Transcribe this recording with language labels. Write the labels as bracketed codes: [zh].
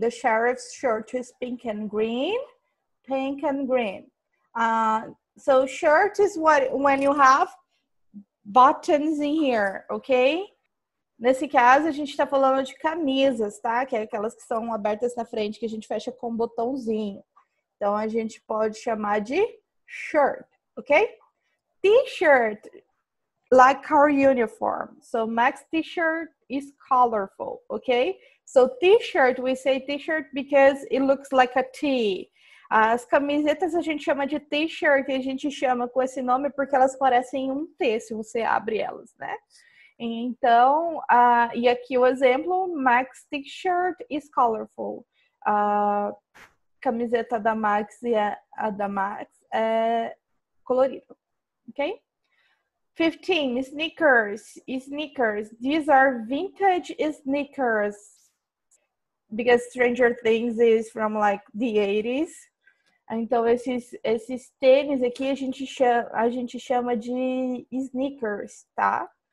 [en] The sheriff's shirt is pink and green. Pink and green. So shirt is what when you have buttons in here, ok? [pt] Nesse caso, a gente está falando de camisas, tá? Que é aquelas que são abertas na frente, que a gente fecha com um botãozinho. Então, a gente pode chamar de shirt, ok? [en] T-shirt, like our uniform. So, Max's t-shirt is colorful, ok? So, t-shirt, we say t-shirt because it looks like a T. [pt] As camisetas a gente chama de t-shirt e a gente chama com esse nome porque elas parecem um T se você abre elas, né? Então, e aqui o exemplo, [en] Max's t-shirt is colorful. [pt] A camiseta da Max e a da Max é colorido, ok? [en] 15, sneakers. Sneakers, these are vintage sneakers. Because Stranger Things is from like the 80s. [pt] Então, esses tênis aqui a gente chama de sneakers, tá?